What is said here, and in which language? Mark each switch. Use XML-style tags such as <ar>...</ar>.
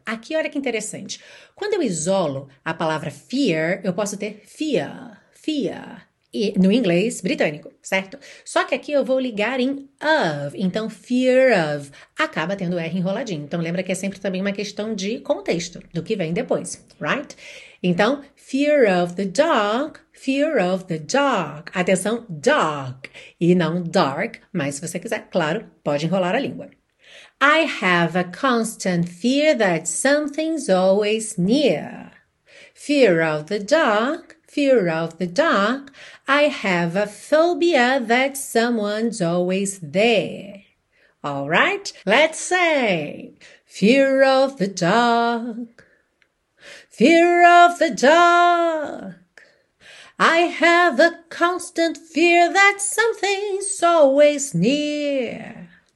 <pt>Aqui olha que interessante, quando eu isolo a palavra fear, eu posso ter fear, fear. E no inglês britânico, certo? Só que aqui eu vou ligar em of, então fear of, acaba tendo R enroladinho. Então lembra que é sempre também uma questão de contexto, do que vem depois, right?</pt> <en>Então, fear of the dark, fear of the dark.</en> <pt>Atenção, dark, e não dark, mas se você quiser, claro, pode enrolar a língua.</pt> <en>I have a constant fear that something's always near. Fear of the dark. Fear of the dark, I have a phobia that someone's always there. All right, let's say, fear of the dark, fear of the dark, I have a constant fear that something's always near.</en>